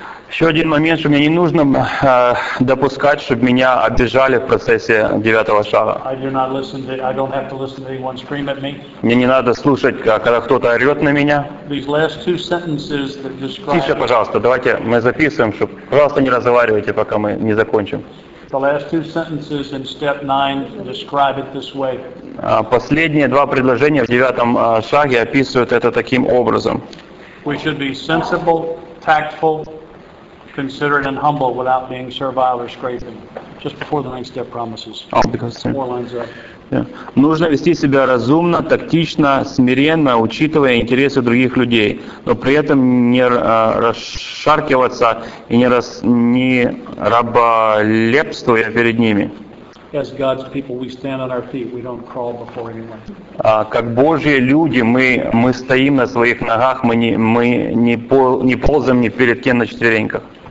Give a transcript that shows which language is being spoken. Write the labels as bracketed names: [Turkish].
[Russian] Еще один момент, что мне не нужно допускать, чтобы меня обижали в процессе девятого шага. Мне не надо слушать, когда кто-то орет на меня. Тише, пожалуйста, давайте мы записываем, чтобы, пожалуйста, не разговаривайте, пока мы не закончим. [English] The last two sentences in step 9 describe it this way. [Russian] Последние два предложения в девятом шаге описывают это таким образом. [English] We should be sensible, tactful, considerate, and humble without being servile or scraping. Just before the next step promises. Four lines up. [Russian] Нужно вести себя разумно, тактично, смиренно, учитывая интересы других людей, но при этом не расшаркиваться и не раболепствуя перед ними. Как Божьи люди, мы стоим на своих ногах, мы не ползаем ни перед кем на четвереньках.